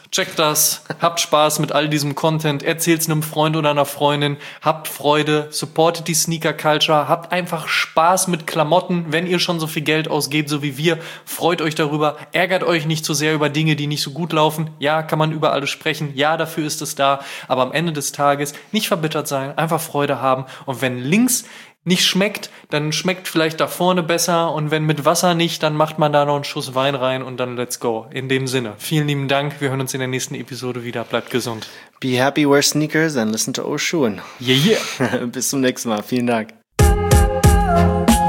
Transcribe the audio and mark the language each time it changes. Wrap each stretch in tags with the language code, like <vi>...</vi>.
<de>Checkt das, habt Spaß mit all diesem Content, erzählt es einem Freund oder einer Freundin, habt Freude, supportet die Sneaker-Culture, habt einfach Spaß mit Klamotten, wenn ihr schon so viel Geld ausgebt, so wie wir, freut euch darüber, ärgert euch nicht so sehr über Dinge, die nicht so gut laufen, ja, kann man über alles sprechen, ja, dafür ist es da, aber am Ende des Tages nicht verbittert sein, einfach Freude haben und wenn links nicht schmeckt, dann schmeckt vielleicht da vorne besser und wenn mit Wasser nicht, dann macht man da noch einen Schuss Wein rein und dann</de> <en>let's go.</en> <de>In dem Sinne, vielen lieben Dank, wir hören uns in der nächsten Episode wieder, bleibt gesund.</de> <en>Be happy, wear sneakers and listen to old Schuhen. Yeah, yeah.</en> <de>Bis zum nächsten Mal, vielen Dank.</de>